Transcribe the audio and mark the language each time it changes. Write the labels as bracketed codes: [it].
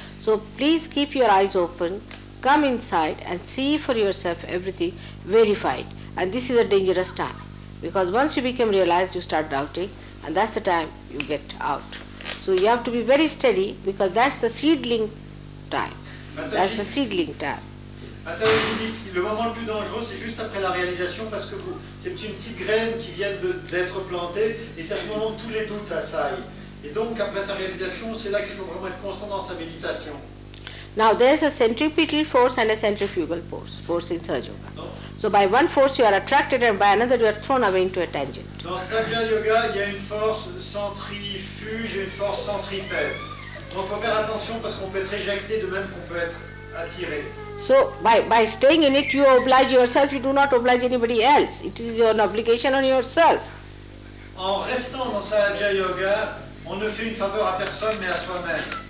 [en] So please keep your eyes open, come inside and see for yourself everything, verify it. And this is a dangerous time. Because once you become realized, you start doubting, and that's the time you get out. So you have to be very steady, because that's the seedling time. That's the seedling time. [fr] Mataji dit que le moment le plus dangereux, c'est juste après la réalisation, parce que c'est une petite graine qui vient d'être plantée, et c'est à ce moment où tous les doutes assaillent. Et donc, après sa réalisation, c'est là qu'il faut vraiment être constant dans sa méditation. [en] Now, there's a centripetal force and a centrifugal force in Sahaja Yoga. So by one force you are attracted and by another you are thrown away into a tangent. [fr] Dans Sahaja Yoga, il y a une force centrifuge et une force centripète. Donc il faut faire attention parce qu'on peut être éjecté de même qu'on peut être attiré. [en] So by staying in it, you oblige yourself, you do not oblige anybody else. It is an obligation on yourself. [fr] En restant dans sa Hatha Yoga, on ne fait une faveur à personne mais à soi-même.